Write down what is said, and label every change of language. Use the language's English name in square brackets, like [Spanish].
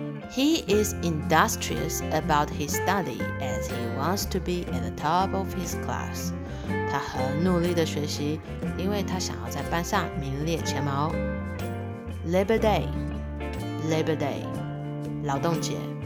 [English] He is industrious about his study as he wants to be at the top of his class. [Chinese] 他很努力的学习，因为他想要在班上名列前茅。 [English] Labor Day， [Chinese] 劳动节。